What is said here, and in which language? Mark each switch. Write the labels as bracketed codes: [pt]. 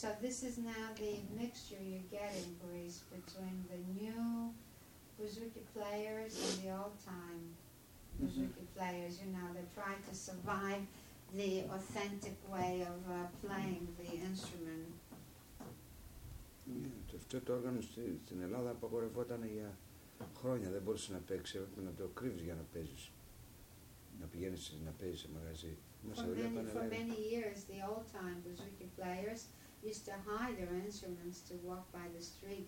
[en] So this is now the mixture you get in Greece between the new bouzouki players and the old-time bouzouki players. You know, they're trying to survive the authentic way of playing the instrument. [el] Yeah, αυτό το όργανο στην Ελλάδα απαγορευόταν για χρόνια. Δεν μπορούσε να παίξει, έπρεπε να το κρύβεις για να παίζεις. Να πηγαίνεις να παίζεις σε μαγαζί. [en] For many years, the old-time bouzouki players used to hide their instruments to walk by the street.